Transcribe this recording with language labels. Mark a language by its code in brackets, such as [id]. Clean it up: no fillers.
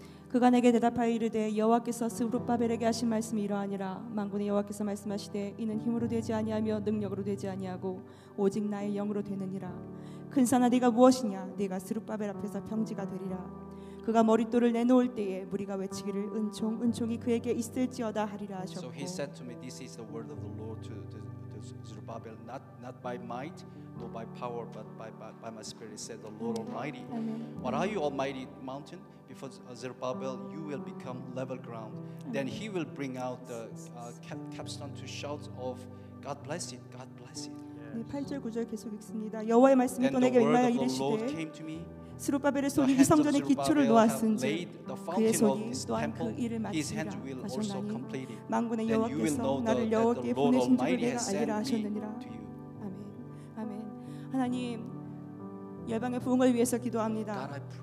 [ko] 그가 내게 대답하여 이르되 여호와께서 스룹바벨에게 하신 말씀이 이러하니라 만군의 여호와께서 말씀하시되 이는 힘으로 되지 아니하며 능력으로 되지 아니하고 오직 나의 영으로 되느니라 큰 산아 네가 무엇이냐 네가 스룹바벨 앞에서 평지가 되리라 그가 머릿돌을 내놓을 때에 무리가 외치기를 은총 은총이 그에게 있을지어다 하리라 하셨고 [en] So he said to me this is the word of the Lord to the Zerubbabel not by might nor by power but by my spirit said the Lord Almighty What are you almighty mountain before Zerubbabel you will become level ground then he will bring out the capstone to shout of God bless it yes. [ko] 네, 8절 9절 계속 읽습니다 여호와의 말씀이 또 내게 임하여 이르시되 스룹바벨의 손이 이 성전의 기초를 놓았은지 그의 손이 또한 그 일을 마치리라 하셨나니 만군의 여호와께서 나를 여호와께 보내신 줄을 내가 알리라 하셨느니라 아멘 아멘 하나님 열방의 부흥을 위해서 기도합니다